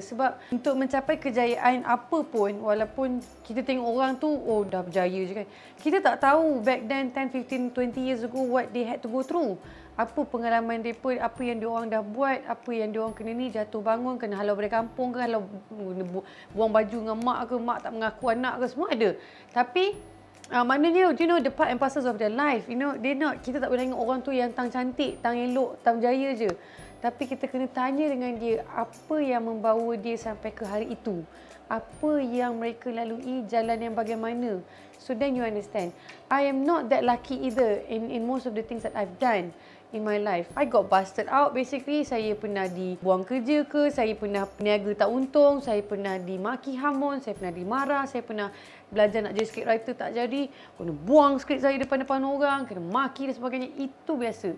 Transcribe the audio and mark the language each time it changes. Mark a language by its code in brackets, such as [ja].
[ms] Sebab untuk mencapai kejayaan apa pun, walaupun kita tengok orang tu, oh dah berjaya je kan. Kita tak tahu [en] back then 10, 15, 20 years ago what they had to go through. [ms] Apa pengalaman mereka, apa yang diorang dah buat, apa yang diorang kena ni, jatuh bangun, kena halau dari kampung ke, halau buang baju dengan mak ke, mak tak mengaku anak ke, semua ada. Tapi, maknanya, [en] you know, the part and parcels of their life, you know, they not, [ms] kita tak boleh tengok orang tu yang tang cantik, tang elok, tang jaya je. Tapi kita kena tanya dengan dia apa yang membawa dia sampai ke hari itu. Apa yang mereka lalui, jalan yang bagaimana. [en] So then you understand. I am not that lucky either in most of the things that I've done in my life. I got busted out basically. [ms] Saya pernah dibuang kerja ke, saya pernah peniaga tak untung, saya pernah dimaki hamun, saya pernah dimarah, saya pernah belajar nak jadi scriptwriter tak jadi, kena buang skrip saya depan-depan orang, kena maki dan sebagainya. Itu biasa.